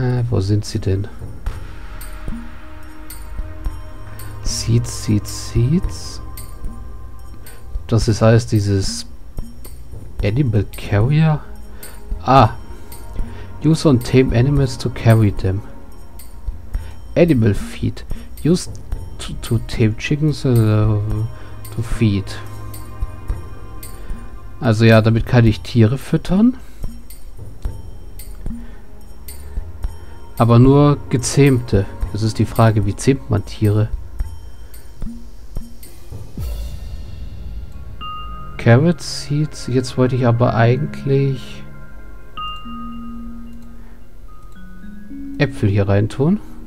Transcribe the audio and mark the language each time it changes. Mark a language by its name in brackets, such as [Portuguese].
[German] Wo sind sie denn? Seeds, Seeds, Seeds. Das ist alles dieses Animal Carrier. Ah. [English] Use on tame animals to carry them. Animal Feed. Use to tame chickens to feed. [German] Also ja, damit kann ich Tiere füttern. Aber nur gezähmte. Das ist die Frage, wie zähmt man Tiere? Carrot Seeds. Jetzt wollte ich aber eigentlich Äpfel hier rein tun.